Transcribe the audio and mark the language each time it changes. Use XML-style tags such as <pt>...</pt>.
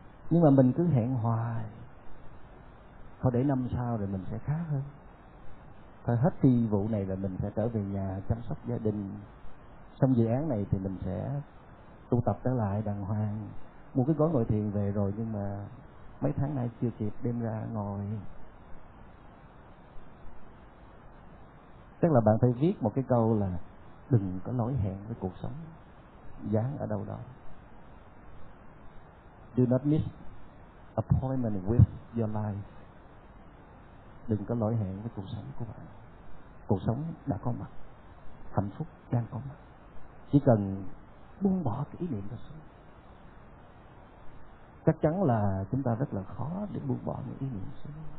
<vi>Nhưng mà mình cứ hẹn hoài, thôi để năm sau rồi mình sẽ khá hơn, thôi hết kỳ vụ này rồi mình sẽ trở về nhà chăm sóc gia đình, xong dự án này thì mình sẽ tu tập trở lại đàng hoàng, mua cái gói ngồi thiền về rồi, nhưng mà mấy tháng nay chưa kịp đem ra ngồi. Chắc là bạn phải viết một cái câu là đừng có lỗi hẹn với cuộc sống, dán ở đâu đó.</vi> <en>Do not miss appointment with your life.</en> <vi>Đừng có lỗi hẹn với cuộc sống của bạn. Cuộc sống đã có mặt, hạnh phúc đang có mặt. Chỉ cần buông bỏ cái ý niệm đó xuống. Chắc chắn là chúng ta rất là khó để buông bỏ những ý niệm xuống.</vi>